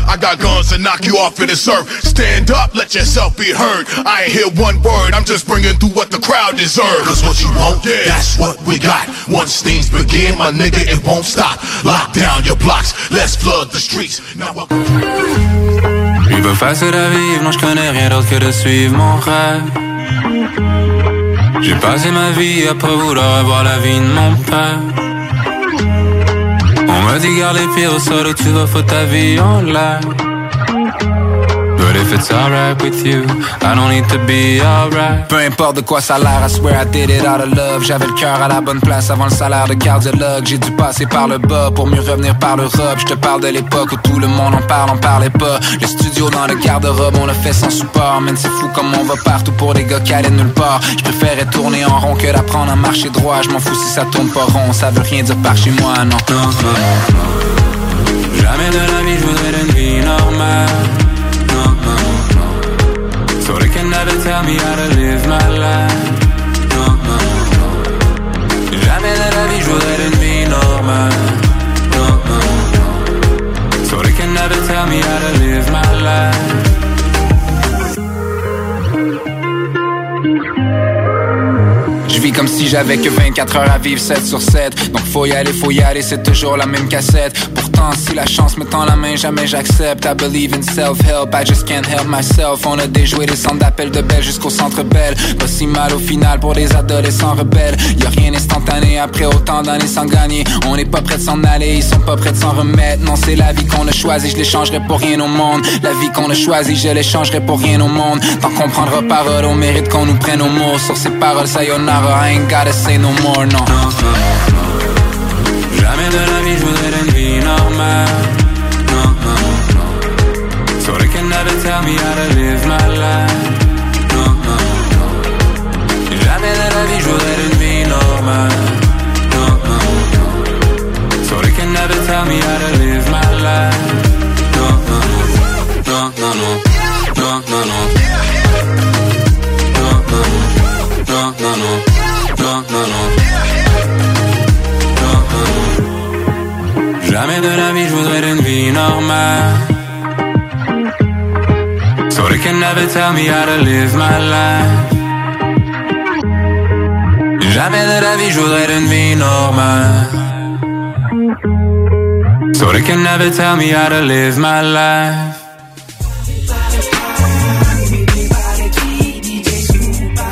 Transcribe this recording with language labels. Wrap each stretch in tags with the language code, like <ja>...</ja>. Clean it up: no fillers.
<en>I got guns to knock you off of the surf. Stand up, let yourself be heard. I ain't hear one word, I'm just bringing through what the crowd deserves. Cause what you want, yeah, that's what we got. Once things begin, my nigga, it won't stop. Lock down your blocks, let's flood the streets. Now welcome.</en> <fr>Je veux faire la vie, non, je connais rien d'autre que de suivre mon rêve. J'ai passé ma vie à pas vouloir avoir la vie de mon père. On m'a dit garde les pieds au sol où tu vas foutre ta vie en l'air.</fr> <en>But if it's alright with you, I don't need to be alright.</en> <fr>Peu importe de quoi ça a l'air,</fr> <en>I swear I did it out of love.</en> <fr>J'avais le cœur à la bonne place avant le salaire de cardiologue. J'ai dû passer par le bas pour mieux revenir par l'Europe. J'te parle de l'époque où tout le monde en parlait pas. Le studio dans le garde-robe, on l'a fait sans support. Man, c'est fou comme on va partout pour des gars qui allaient nulle part. J'préférais tourner en rond que d'apprendre à marcher droit. J'm'en fous si ça tourne pas rond, ça veut rien dire par chez moi, non. Jamais de la vie, j'voudrais une vie normale.</fr> <en>So they can never tell me how to live my life. No, no, no.</en> <fr>Jamais de la vie, je voudrais une vie normale.</fr> <en>No, no, no. So they can never tell me how to live my life.</en> <fr>Je vis comme si j'avais que 24 heures à vivre 7 sur 7. Donc faut y aller, c'est toujours la même cassette. Si la chance me tend la main, jamais j'accepte.</fr> <en>I believe in self-help, I just can't help myself.</en> <fr>On a déjoué des centres d'appel de Belle jusqu'au centre Belle. Pas si mal au final pour des adolescents rebelles. Y'a rien instantané après autant d'années sans gagner. On n'est pas prêts de s'en aller, ils sont pas prêts de s'en remettre. Non, c'est la vie qu'on a choisie, je l'échangerai pour rien au monde. La vie qu'on a choisie, je l'échangerai pour rien au monde. Tant qu'on prendra parole, on mérite qu'on nous prenne au mot. Sur ces paroles,</fr> <en>sayonara, I ain't gotta say no more,</en> <fr>non. Jamais de la vie, je voudrais une vie normale.</fr> <en>No, no, no. So they can never tell me how to live my life. No, no, no.</en> <fr>Jamais de la vie, je voudrais une vie normale.</fr> <en>No, no, no. So they can never tell me how to live my life. No, no, no. No, no, no. No, no, no. No, no, no. No, no, no. No, no, no.</en> <fr>Jamais de la vie, je voudrais une vie normale.</fr> <en>So they can never tell me how to live my life.</en> <fr>Jamais de la vie, je voudrais une vie normale.</fr> <en>So they can never tell me how to live my life. DJ,</en>